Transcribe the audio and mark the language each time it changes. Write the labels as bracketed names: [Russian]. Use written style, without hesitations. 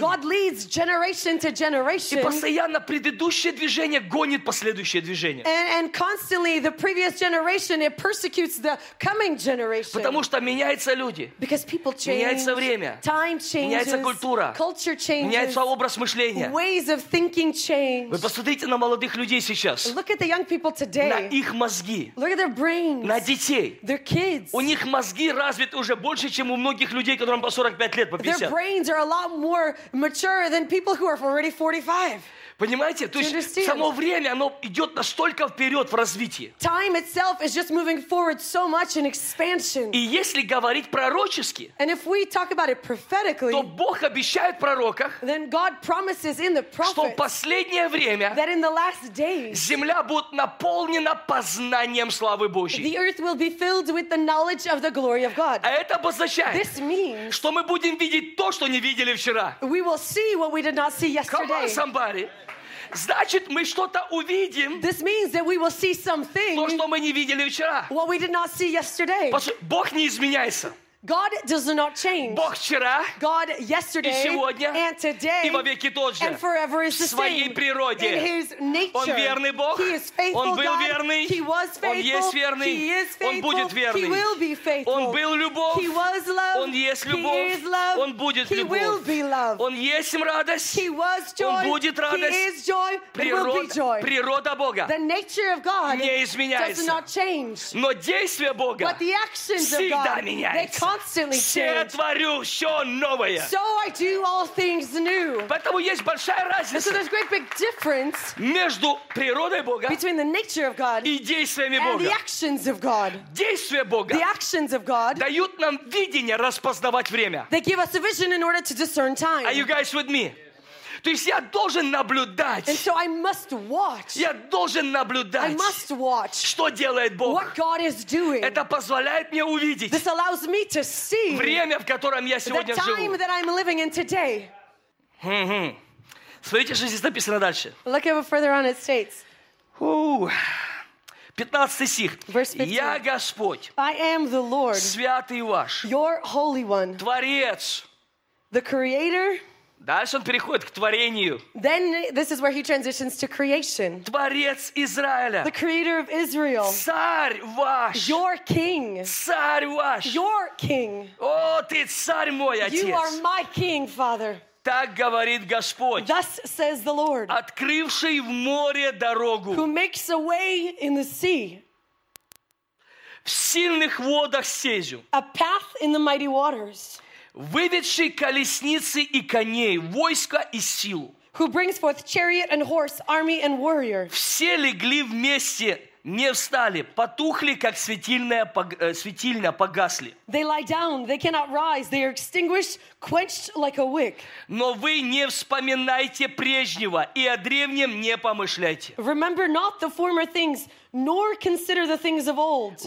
[English] God leads generation to generation. [Russian] И постоянно предыдущее движение гонит последнее. [English] And constantly the previous generation it persecutes the coming generation. [Russian] Потому что меняются люди. [English] Because people change. [Russian] Меняется время. [English] Time changes. [Russian] Меняется культура. [English] Culture changes. [Russian] Меняется образ мышления. [English] Ways of thinking change. [Russian] Вы посмотрите на молодых людей сейчас. [English] Look at the young people today. [Russian] На их мозги. [English] Look at their brains. [Russian] На детей. [English] Their kids. [Russian] У них мозги развиты уже больше, чем у многих людей, которым по 45 лет, по 50. [English] Their brains are a lot more mature than people who are already 45. [Russian] Понимаете? То есть само время, оно идет настолько вперед в развитии. [English] Time itself is just moving forward so much in expansion. [Russian] И если говорить пророчески, [English] and if we talk about it prophetically, [Russian] то Бог обещает в пророках, [English] then God promises in the prophets, [Russian] что в последнее время, [English] that in the last days, [Russian] земля будет наполнена познанием славы Божьей. [English] The earth will be filled with the knowledge of the glory of God. [Russian] А это обозначает, [English] this means, [Russian] что мы будем видеть то, что не видели вчера. [English] We will see what we did not see yesterday. Come on, somebody. [Russian] Значит, мы что-то увидим. [English] This means that we will see something. [Russian] То, что мы не видели вчера. [English] What we did not see yesterday. [Russian] Бог не изменяется. [English] God does not change. [Russian] Бог вчера, [English] God yesterday, [Russian] и сегодня, [English] and today, [Russian] и вовеки тот же, [English] and forever is the same. [Russian] В своей природе. [English] In his nature. [Russian] Он верный Бог. [English] He is faithful. [Russian] Он был [English] God. [Russian] Верный. [English] He was faithful. [Russian] Он есть верный. [English] He is faithful. [Russian] Он будет верный. [English] He will be faithful. [Russian] Он был любовь. [English] He was love. [Russian] Он есть любовь. [English] He is love. [Russian] Он будет [English] he [Russian] любовь. [English] Will be love. [Russian] Он есть радость. [English] He was joy. [Russian] Он будет радость. [English] He is joy. [Russian] Природа Бога. [English] The nature of God [Russian] не изменяется. [English] Does not change. [Russian] Но действия Бога всегда меняются. [English] Constantly change. [Russian] Все творю все новое. [English] So I do all things new. [Russian] Поэтому есть большая разница. [English] So there's great big difference [Russian] между природой Бога [English] between the nature of God [Russian] и действиями Бога. [English] And the actions of God. [Russian] Действия Бога [English] the actions of God [Russian] дают нам видение распознавать время. [English] They give us a vision in order to discern time. Are you guys with me? [Russian] То есть я должен наблюдать. [English] And so I must watch. [Russian] Я должен наблюдать. [English] I must watch. [Russian] Что делает Бог? [English] What God is doing. [Russian] Это позволяет мне увидеть. [English] This allows me to see. [Russian] Время, в котором я сегодня живу. [English] The time that I'm living in today. Mm-hmm. [Russian] Смотрите, что здесь написано дальше. [English] Look at what further on it states. [Russian] 15 стих. Я Господь. [English] I am the Lord. [Russian] Святый ваш. [English] Your Holy One. [Russian] Творец. [English] The Creator. [Russian] Дальше он переходит к творению. [English] Then this is where he transitions to creation. [Russian] Творец Израиля. [English] The creator of Israel. [Russian] Царь ваш. [English] Your king. [Russian] Царь ваш. [English] Your king. [Russian] О, ты царь мой, отец. [English] You are my king, father. [Russian] Так говорит Господь. [English] Thus says the Lord. [Russian] Открывший в море дорогу. [English] Who makes a way in the sea. [Russian] В сильных водах сезю. [English] A path in the mighty waters. [Russian] Выведший колесницы и коней, войско и силу. [English] Who brings forth chariot and horse, army and warrior. [Russian] Все легли вместе, не встали, потухли, как светильня, погасли. [English] They lie down, they cannot rise, they are extinguished, quenched like a wick. [Russian] Но вы не вспоминайте прежнего и о древнем не помышляйте. [English] Remember not the former things, nor consider the things of old.